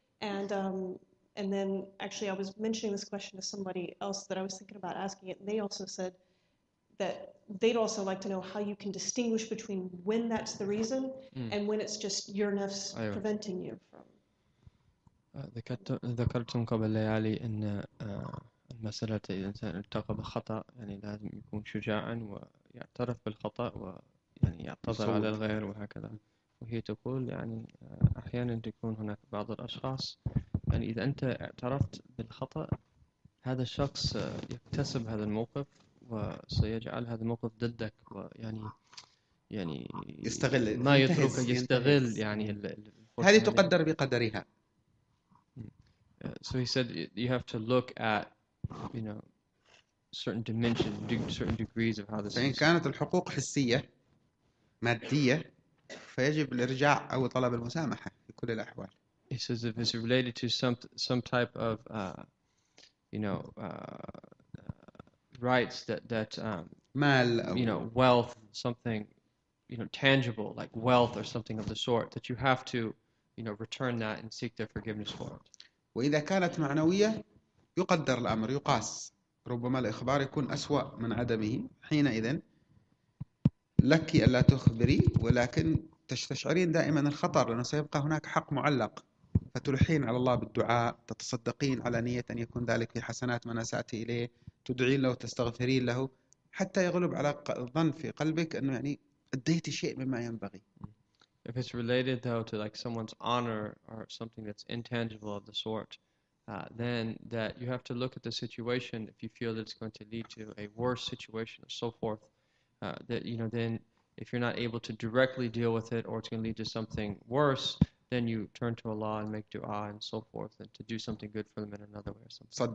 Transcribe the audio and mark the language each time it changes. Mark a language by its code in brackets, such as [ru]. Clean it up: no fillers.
[en] And And then actually, I was mentioning this question to somebody else that I was thinking about asking it, and they also said that they'd also like to know how you can distinguish between when that's the reason and when it's just your nafs preventing you from. [ar] ذكرتم قبل ليالي أن المسألة إذا الإنسان التقى بخطأ يعني لازم يكون شجاعا ويعترف بالخطأ ويعني يعتذر على الغير وهكذا، وهي تقول يعني أحيانا تكون هناك بعض الأشخاص يعني إذا أنت اعترفت بالخطأ هذا الشخص يكتسب هذا الموقف وسيجعل هذا الموقف ضدك، ويعني يعني يستغل ما يترك يستغل يعني الفرصة. هذه تقدر بقدرها. [en] So he said you have to look at, you know, certain dimensions, certain degrees of how this. [ar] فإن كانت الحقوق حسية مادية فيجب الإرجاع أو طلب المسامحة في كل الأحوال. [en] He says if it's related to some type of you know rights that [ar] مال [en] you know wealth something you know tangible like wealth or something of the sort that you have to you know return that and seek their forgiveness for it. [ar] وإذا كانت معنوية يقدر الأمر يقاس، ربما الإخبار يكون أسوأ من عدمه، حينئذ لك ألا تخبري ولكن تستشعرين دائما الخطر لأنه سيبقى هناك حق معلق، فتلحين على الله بالدعاء، تتصدقين على نية أن يكون ذلك في حسنات من أسأت إليه، تدعين له وتستغفرين له حتى يغلب على الظن في قلبك أنه يعني أديت شيء مما ينبغي. [en] If it's related though to like someone's honor or something that's intangible of the sort, then that you have to look at the situation. If you feel that it's going to lead to a worse situation or so forth, that you know, then if you're not able to directly deal with it or it's going to lead to something worse, then you turn to Allah and make dua and so forth and to do something good for them in another way or something.